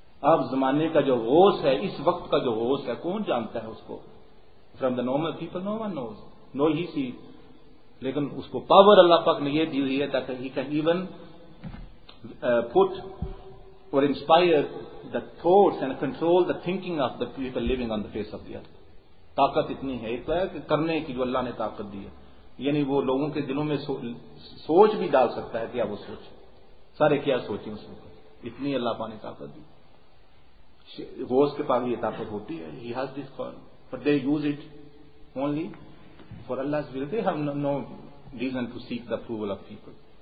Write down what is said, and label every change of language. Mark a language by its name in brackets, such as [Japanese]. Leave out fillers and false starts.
[Urdu] اب زمانے کا جو غوث ہے, اس وقت کا جو غوث ہے, کون جانتا ہے اس کو؟ [English] From the normal people no one knows, no he see. [Urdu] لیکن اس کو پاور اللہ پاک نے یہ دی ہوئی ہے تاکہ [English] He can even put اور inspire the thoughts and control the thinking of the people living on the face of the earth. [Urdu] طاقت اتنی ہے, ایک تو ہے کہ کرنے کی جو اللہ نے طاقت دی ہے, یعنی وہ لوگوں کے دلوں میں سوچ بھی ڈال سکتا ہے کہ وہ سوچ سارے کیا سوچیں اس وقت, اتنی اللہ پاک نے طاقت دی. غوث کے پاس یہ طاقت ہوتی ہے, [English] He has this call, but they use it only for Allah, they have no reason to seek the approval of people.